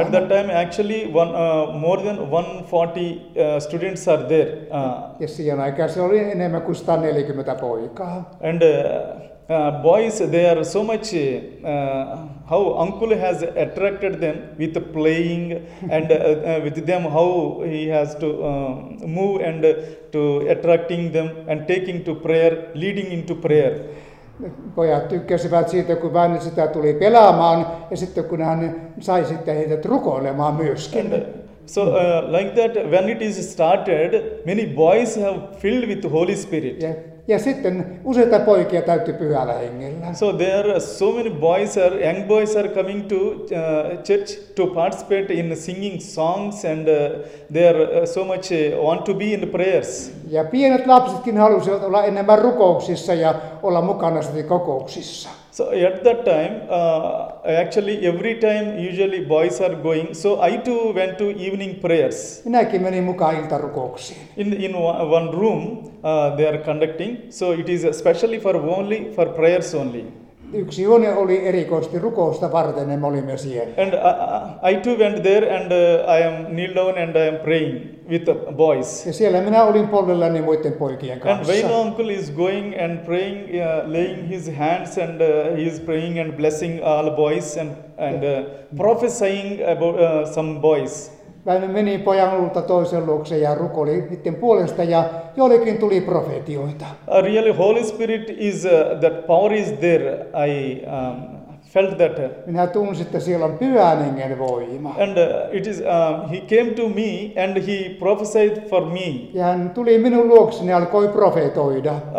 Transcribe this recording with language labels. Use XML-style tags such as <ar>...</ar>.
<en>At that time actually more than 140 students are there.</en> <fi>Ja siihen aikaan se oli enemmän kuin 140 poikaa.</fi> <en>And boys, they are so much how uncle has attracted them with playing and with them how he has to move and to attracting them and taking to prayer, leading into prayer.</en> <fi>Pojat tykkäsivät siitä, kun Väinö sitä tuli pelaamaan ja sitten kun hän sai sitten heidät rukoilemaan myöskin.</fi> <en>So like that, when it is started, many boys have filled with Holy Spirit. Yeah.</en> <fi>Ja sitten useita poikia täytyy pyhällä hengellä.</fi> <en>So there are so many boys, young boys are coming to church to participate in singing songs and they are so much want to be in prayers.</en> <fi>Ja pienet lapsetkin halusivat olla enemmän rukouksissa ja olla mukana sitten kokouksissa.</fi> <en>So at that time, actually every time usually boys are going, so I too went to evening prayers.</en> <fi>Minäkin menin mukaan iltarukouksiin.</fi> <en>In one room they are conducting, so it is especially for prayers only.</en> <fi>Yksi huone oli erikoisesti rukousta varten, me olimme siellä.</fi> <en>And I too went there and I am kneeled down and I am praying with the boys.</en> <fi>Ja siellä minä olin polvellani muiden poikien kanssa.</fi> <en>And Veino uncle is going and praying, laying his hands and he is praying and blessing all boys and prophesying about some boys.</en> <fi>Väinö meni pojan luulta toisen luokse ja rukoili niiden puolesta ja jollekin tuli profetioita.</fi> <en>Really, Holy Spirit is that power is there. I felt that</en> <fi>minä tunsin, että siellä on pyhän hengen voima.</fi> <en>And it is he came to me and he prophesied for me.</en> <fi>Ja hän tuli minun luokseni ja alkoi profetoida.</fi>